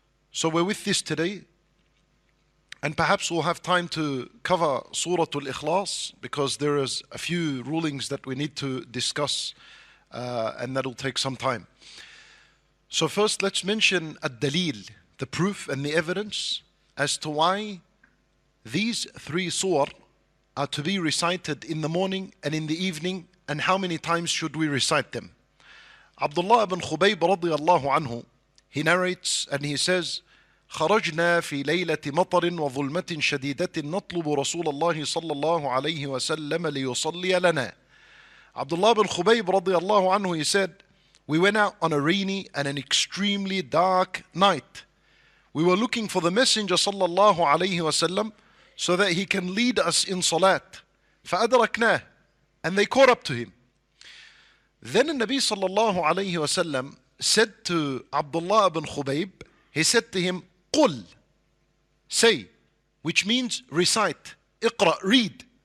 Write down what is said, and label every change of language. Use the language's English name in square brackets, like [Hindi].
[English] So we're with this today. And perhaps we'll have time to cover Surah Al-Ikhlas because there is a few rulings that we need to discuss and that'll take some time. So first, let's mention al-dalil, the proof and the evidence as to why these three surah are to be recited in the morning and in the evening, and how many times should we recite them. Abdullah ibn Khubayb radiallahu anhu, he narrates and he says, [Arabic] خرجنا في ليلة مطر وظلمة شديدة نطلب رسول الله صلى الله عليه وسلم ليصلي لنا. [English] Abdullah ibn Khubayb radiallahu anhu, he said, we went out on a rainy and an extremely dark night. We were looking for the messenger sallallahu alayhi wa sallam so that he can lead us in salat. فأدركناه, and they caught up to him. Then the Nabi sallallahu alayhi wa sallam said to Abdullah ibn Khubayb, he said to him, قل, say, which means recite, اقرأ, read.